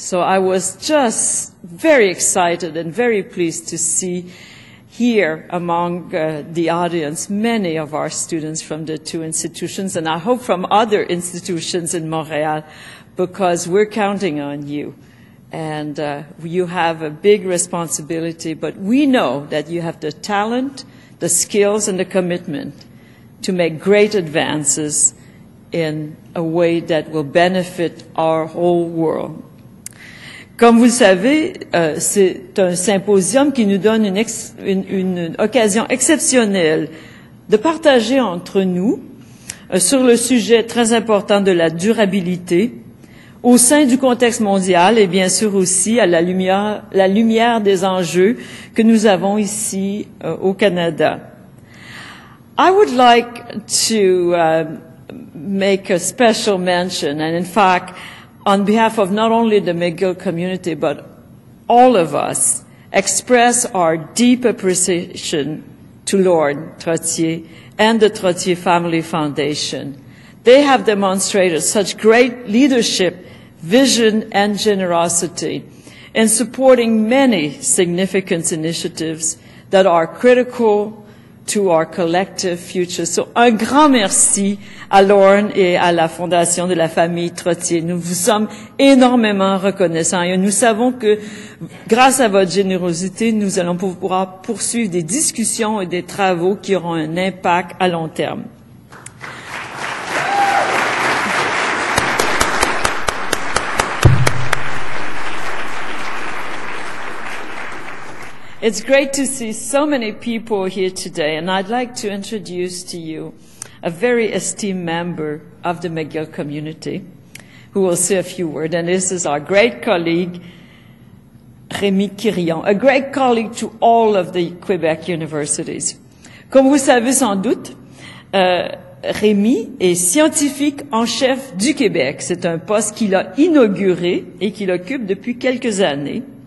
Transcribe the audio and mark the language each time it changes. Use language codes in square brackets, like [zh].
[en] So I was just very excited and very pleased to see here among the audience many of our students from the two institutions, and I hope from other institutions in Montréal, because we're counting on you. And you have a big responsibility, but we know that you have the talent, the skills, and the commitment to make great advances in a way that will benefit our whole world. [fr] Comme vous le savez, c'est un symposium qui nous donne une occasion exceptionnelle de partager entre nous sur le sujet très important de la durabilité au sein du contexte mondial et bien sûr aussi à la lumière des enjeux que nous avons ici au Canada. [en] I would like to make a special mention, and in fact, on behalf of not only the McGill community, but all of us, express our deep appreciation to Lord Trottier and the Trottier Family Foundation. They have demonstrated such great leadership, vision, and generosity and supporting many significant initiatives that are critical to our collective future. [fr] So, un grand merci à Lorne et à la Fondation de la famille Trottier. Nous vous sommes énormément reconnaissants et nous savons que grâce à votre générosité, nous allons pouvoir poursuivre des discussions et des travaux qui auront un impact à long terme. [en] It's great to see so many people here today, and I'd like to introduce to you a very esteemed member of the McGill community who will say a few words, and this is our great colleague, Rémi Quirion, a great colleague to all of the Quebec universities. [fr] Comme vous savez sans doute, Rémi est scientifique en chef du Québec. C'est un poste qu'il a inauguré et qu'il occupe depuis quelques années.